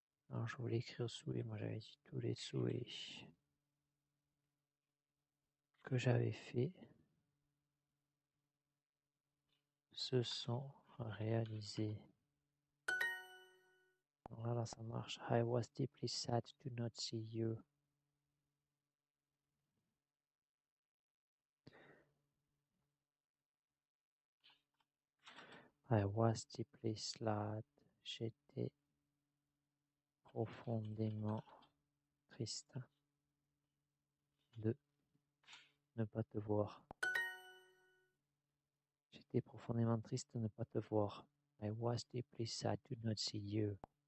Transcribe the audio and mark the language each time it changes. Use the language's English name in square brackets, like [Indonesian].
[French] Alors, je voulais écrire souhait, moi j'avais dit tous les souhaits que j'avais fait se sont réalisés. Voilà, ça marche. [English] I was deeply sad to not see you. I was deeply sad. [French] J'étais profondément triste de ne pas te voir. J'étais profondément triste de ne pas te voir. [English] I was deeply sad to not see you.